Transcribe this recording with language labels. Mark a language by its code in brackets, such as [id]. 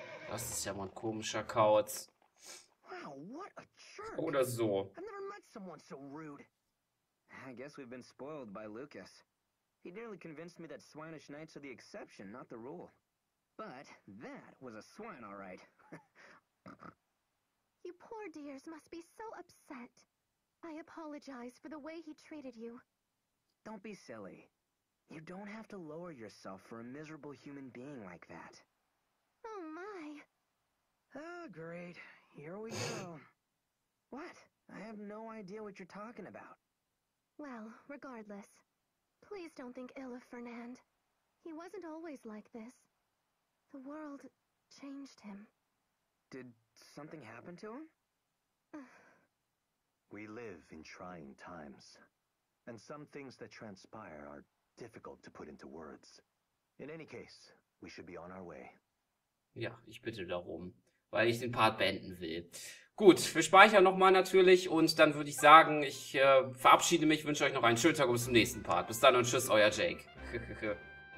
[de] Das ist ja mal ein komischer Kauz. [en] Wow, what a jerk. [de] Oder so. [en] I've never met someone so rude. I guess we've been spoiled by Lucas. He nearly convinced me that swinish knights are the exception, not the rule. But that was a swine, all right. You poor dears must be so upset. I apologize for the way he treated you. Don't be silly. You don't have to lower yourself for a miserable human being like that. Oh my. Oh great, here we go. What? I have no idea what you're talking about. Well, regardless, please don't think ill of Fernand. He wasn't always like this. The world changed him. Did something happen to him? We live in trying times, and some things that transpire are difficult to put into words. In any case, we should be on our way. [de] Ja, ich bitte darum, weil ich den Part beenden will. Gut, wir speichern nochmal natürlich und dann würde ich sagen, ich verabschiede mich, wünsche euch noch einen schönen Tag und bis zum nächsten Part. Bis dann und tschüss, euer Jake.